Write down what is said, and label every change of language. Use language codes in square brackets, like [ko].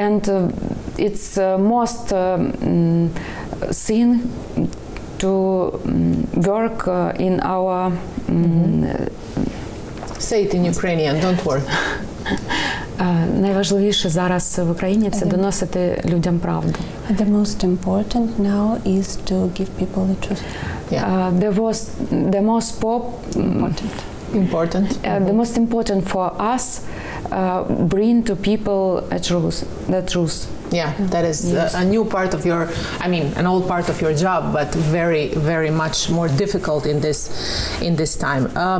[en] and it's most thing to work in our say it in Ukrainian, don't worry. [uk] Найважливіше зараз в Україні це доносити людям правду. [en] The most important now is to give people the truth. Important. The most important for us, bring to people a truth, the truth. Yeah, that is a new part of your, I mean, an old part of your job, but very, very much more difficult in this time.